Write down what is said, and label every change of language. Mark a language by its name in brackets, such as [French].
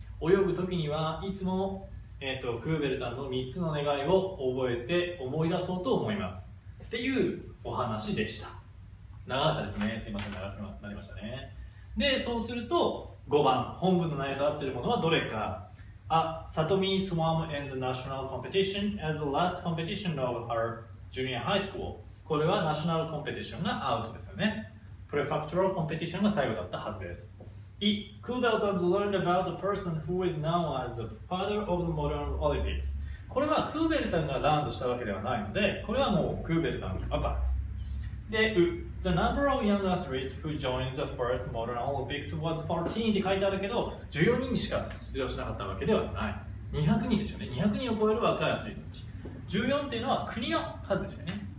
[Japanese] 泳ぐ時にはいつも、クーベルタンの3つの願いを覚えて思い出そうと思います。っていうお話でした。長かったですね。すいません、長くなりましたね。で、そうすると5番、本文の内容と合っているものはどれか。 [English] あ、サトミ swam in the national competition as the last competition of our junior high school。 [Japanese] これはナショナルコンペティションがアウトですよね。プレファクトラルコンペティションが最後だったはずです。 [English] い、クーベルタンズ learned about a person who is known as the father of the modern Olympics。 [Japanese] これはクーベルタンがランドしたわけではないので、これはもうクーベルタンのパパです。 [English] で、う、the number of young athletes who joined the first modern Olympics was 14 [Japanese] って書いてあるけど、14人しか出場しなかったわけではない。200人ですよね。 200人を超える若いアスリートたち。14っていうのは国の数ですよね。